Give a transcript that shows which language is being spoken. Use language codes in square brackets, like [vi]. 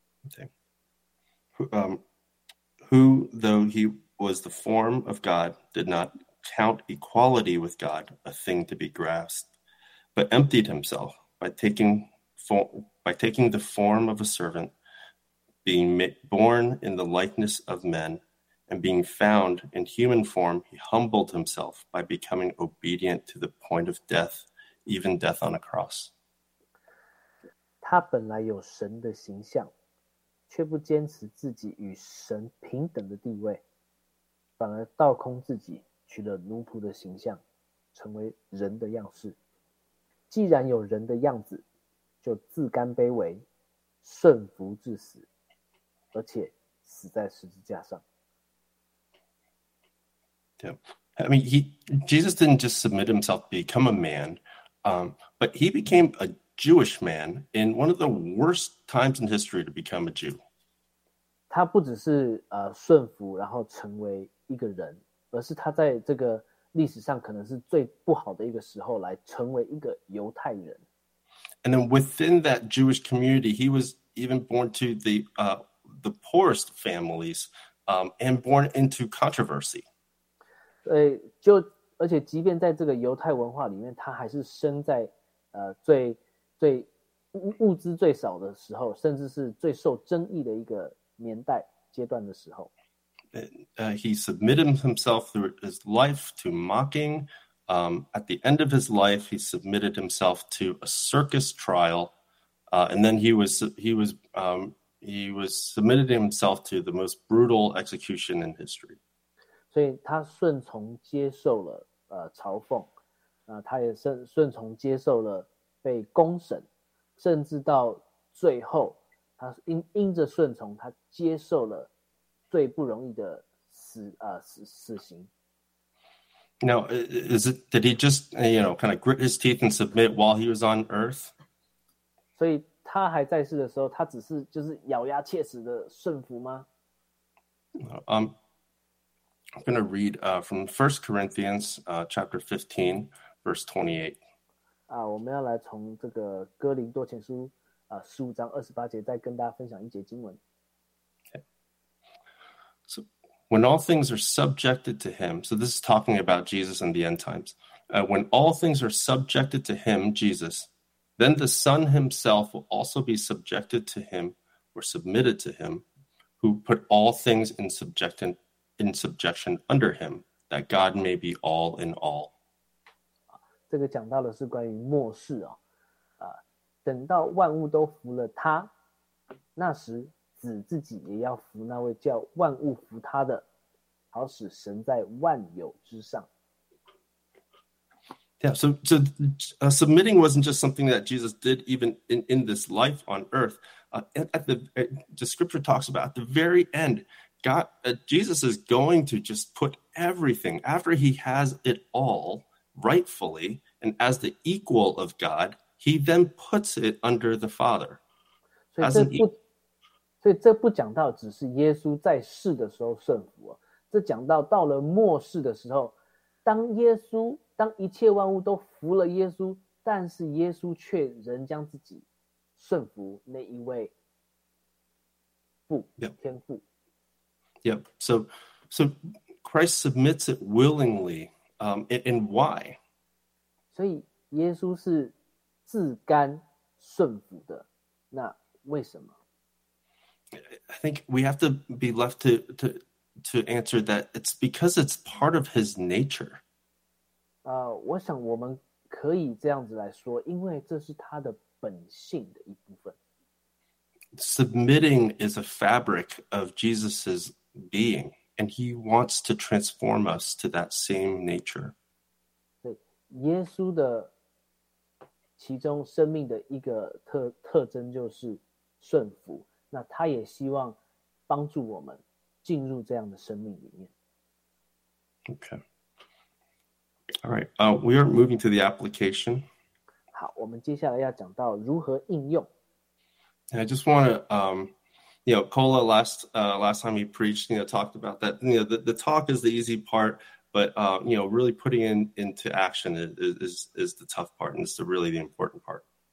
[en] Okay. Who, though he was the form of God, did not... count equality with God a thing to be grasped, but emptied himself by taking the form of a servant, being born in the likeness of men, and being found in human form, he humbled himself by becoming obedient to the point of death, even death on a cross. [zh] 他本来有神的形象，却不坚持自己与神平等的地位，反而倒空自己。取了奴仆的形象，成为人的样式。既然有人的样子，就自甘卑微，顺服至死，而且死在十字架上。 [en] Yeah. I mean, Jesus didn't just submit himself to become a man, but he became a Jewish man in one of the worst times in history to become a Jew. [zh] 他不只是顺服，然后成为一个人。而是他在这个历史上可能是最不好的一个时候来成为一个犹太人。 [en] And then within that Jewish community, he was even born to the poorest families, and born into controversy. [zh] 对，就而且即便在这个犹太文化里面，他还是生在最物资最少的时候，甚至是最受争议的一个年代阶段的时候。 [en] He submitted himself through his life to mocking. At the end of his life, he submitted himself to a circus trial, and then he was submitted himself to the most brutal execution in history. [zh] 所以他顺从接受了嘲讽，他也顺从接受了被公审，甚至到最后，他因着顺从，他接受了。最不容易的死刑。 [en] Now, did he just, you know, kind of grit his teeth and submit while he was on earth? [zh] 所以他还在世的时候，他只是就是咬牙切齿的顺服吗？ [en] I'm going to read from 1 Corinthians chapter 15, verse 28. [zh] 我们要来从这个哥林多前书15章28节再跟大家分享一节经文。 [en] So when all things are subjected to him, so this is talking about Jesus and the end times. When all things are subjected to him, Jesus, then the Son himself will also be subjected to him or submitted to him who put all things in subjection under him, that God may be all in all. [zh] 这个讲到的是关于末世哦，等到万物都服了他，那时子自己也要服那位叫万物服他的，好使神在万有之上。 [en] Yeah, so submitting wasn't just something that Jesus did even in this life on earth, the scripture talks about at the very end, Jesus is going to just put everything after he has it all rightfully and as the equal of God, he then puts it under the Father. So this is not only Jesus in the world, but this is talking about in the last days, when Jesus, when all the world is obeyed by Jesus, but Jesus still obeyed himself. [zh] 顺服那一位父 天父 [en] Yep. So Christ submits it willingly. And why? [zh] 所以耶稣是自甘顺服的。那为什么？ [en] I think we have to be left to answer that. It's because it's part of his nature. [zh] 我想我们可以这样子来说，因为这是他的。本性的一部分。 [en] Submitting is a fabric of Jesus's being, and he wants to transform us to that same nature. [zh] 对，耶稣的其中生命的一个特征就是顺服，那他也希望帮助我们进入这样的生命里面。 Okay. [en] All right, we are moving to the application. [zh] 好，我们接下来要讲到如何应用。 [en] I just want to, Cola last time he preached, talked about that. The talk is the easy part, but really putting into action is the tough part, and it's the really the important part.